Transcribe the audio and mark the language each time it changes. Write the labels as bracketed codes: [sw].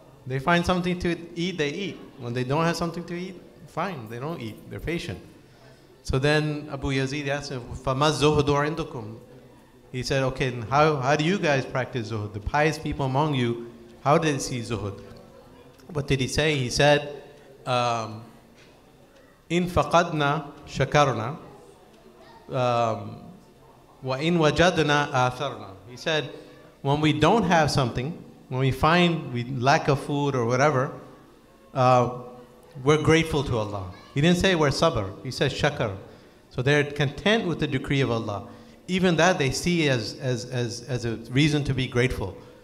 [en] They find something to eat, they eat. When they don't have something to eat, fine, they don't eat. They're patient. So then Abu Yazid asked him, [ar] فَمَا زُهُدُ عِنْدُكُمْ? [en] He said, okay, how do you guys practice zuhud? The pious people among you, how did they see zuhud? What did he say? [ar] He said, إِنْ فَقَدْنَا شَكَرْنَا وَإِنْ وَجَدْنَا آثَرْنَا. [en] He said, when we don't have something, when we find we lack of food or whatever, we're grateful to Allah. He didn't say we're sabr. He said shakar. So they're content with the decree of Allah. Even that they see as a reason to be grateful.